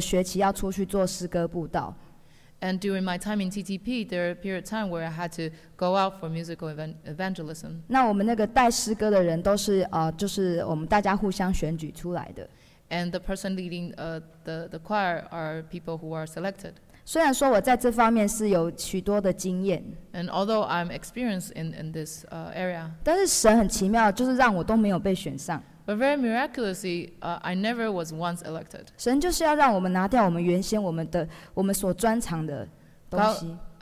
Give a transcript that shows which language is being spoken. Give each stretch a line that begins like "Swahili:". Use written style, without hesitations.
Chinese: 那我在神学院期间哦，本来我们都有这个学期要出去做诗歌布道。
English: And during my time in TTP, there were a period of time where I had to go out for musical evangelism.
Chinese: 那我们那个带诗歌的人都是就是我们大家互相选举出来的。
English: And the person leading the choir are people who are selected.
Chinese: 虽然说我在这方面是有许多的经验,
English: And although I'm experienced in this area,
Chinese: 但是神很奇妙，就是让我都没有被选上。
English: But very miraculously, I never was once elected.
Chinese: 神就是要让我们拿掉我们原先我们所专长的东西。